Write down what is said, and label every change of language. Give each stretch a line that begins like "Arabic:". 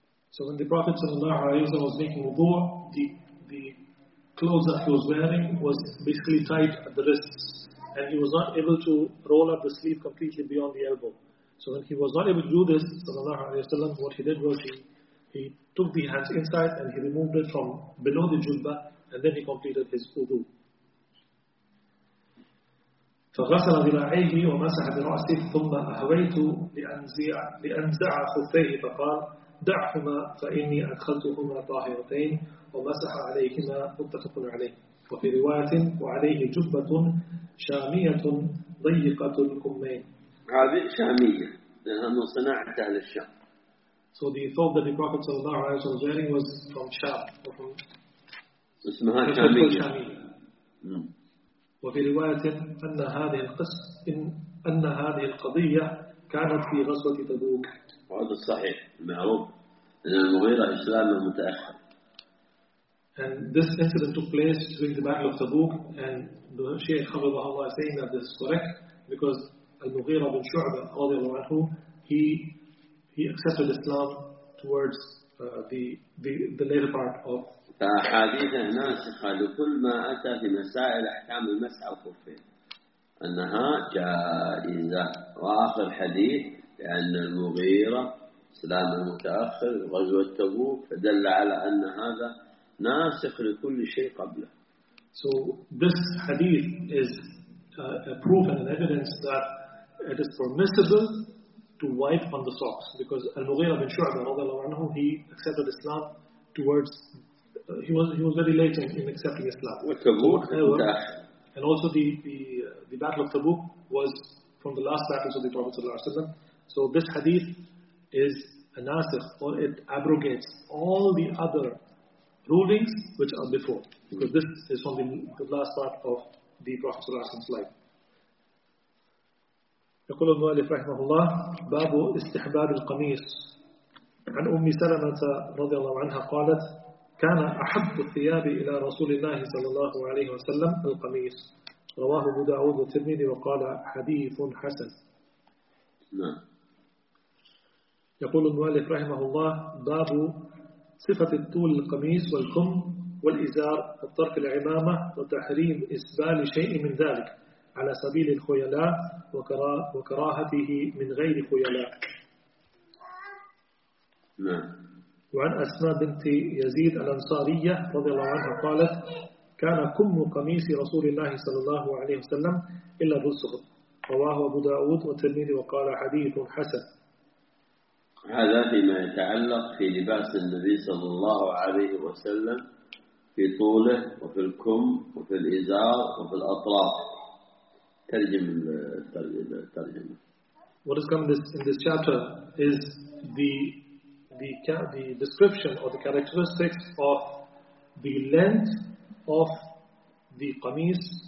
English: So when the Prophet sallallahu alaihi wasallam was making wudu, the clothes that he was wearing was basically tight at the wrists, and he was not able to roll up the sleeve completely beyond the elbow. So when he was not able to do this, sallallahu alaihi wasallam, what he did was he took the hands inside and he removed it from below the jubbah, and then he completed his wudu.
Arabic: فغسل ذراعيه ومسح برأسه ثم أهويت لأنزع خفيه فقال دعهما فإني أدخلتهما طاهرتين ومسح عليهما متفق عليه. وفي رواية وعليه جبة شامية ضيقة الكمين. هذه شامية لأنه صنعتها للشام.
English: So the thought that the Prophet
Arabic: صلى الله عليه وسلم
English: was wearing was from Sham.
Arabic: اسمها شامية. شامية. وفي رواية أن هذه القصة أن هذه القضية كانت في غزوة تبوك. هذا صحيح معروف أن المغيرة إسلام متأخر.
English: And this incident took place during the Battle of Tabuk, and the Shaykh Khabibah Allah is saying that this is correct because المغيرة بن شعبة
Arabic: رضي الله عنه
English: he accepted Islam towards the later part of.
Arabic: فأحاديث ناسخة لكل ما أتى في مسائل أحكام المسح الخفين أنها جائزة. وآخر حديث لأن المغيرة سلام المتأخر غزوة تبوك فدل على أن هذا ناسخ لكل شيء قبله.
English: So this hadith is a proof and an evidence that it is permissible to wipe on the socks because المغيرة بن شعبة
Arabic: رضي الله عنه
English: he accepted Islam towards he was very late in accepting Islam.
Arabic: وتبوك
English: and also the battle of Tabuk was from the last battles of the Prophet
Arabic: صلى الله عليه وسلم.
English: So this hadith is a nasikh, or it abrogates all the other rulings which are before, because this is from the last part of the Prophet
Arabic: صلى الله عليه وسلم's
English: life.
Arabic: يقول المؤلف رحمه الله باب استحباب القميص. عن أم سلمة رضي الله عنها قالت كان أحب الثياب إلى رسول الله صلى الله عليه وسلم القميص. رواه أبو داود والترمذي وقال حديث حسن. يقول المؤلف رحمه الله باب صفة الطول القميص والخم والإزار الطرف العمامة وتحريم إسبال شيء من ذلك على سبيل الخيلاء وكراهته من غير خيلاء. وعن أسماء بنت يزيد الأنصارية رضي الله عنها قالت كان كم قميص رسول الله صلى الله عليه وسلم إلا بالصغر. رواه أبو داود والترمذي وقال حديث حسن. هذا فيما يتعلق في لباس النبي صلى الله عليه وسلم في طوله وفي الكم وفي الإزار وفي الأطراف. ترجم الترجمة.
English: What is coming in this chapter is the description or the characteristics of the length of the qamis